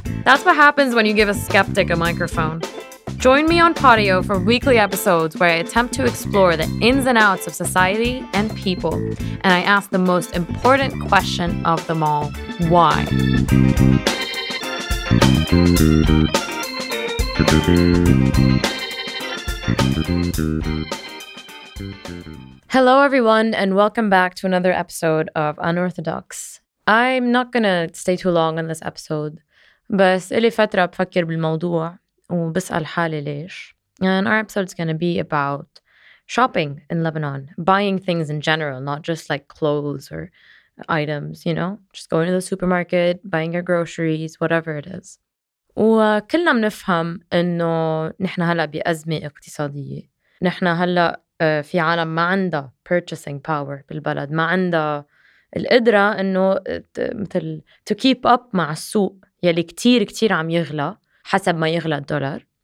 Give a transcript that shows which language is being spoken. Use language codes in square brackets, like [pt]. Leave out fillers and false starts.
[en] That's what happens when you give a skeptic a microphone. Join me on Podio for weekly episodes where I attempt to explore the ins and outs of society and people, and I ask the most important question of them all, why? Hello everyone, and welcome back to another episode of Unorthodox. I'm not gonna stay too long on this episode, [ar] بس إلي فترة بفكر بالموضوع وبسأل حالي ليش. [en] And our episode is gonna be about shopping in Lebanon, buying things in general, not just like clothes or items, you know, just going to the supermarket, buying your groceries, whatever it is. [ar] وكلنا بنفهم إنه نحن هلأ بأزمة اقتصادية. نحن هلأ في عالم ما عنده [en] purchasing power [ar] بالبلد, ما عنده القدرة إنه مثل [en] to keep up [ar] مع السوق يلي كتير كتير عم يغلى حسب ما يغلى الدولار.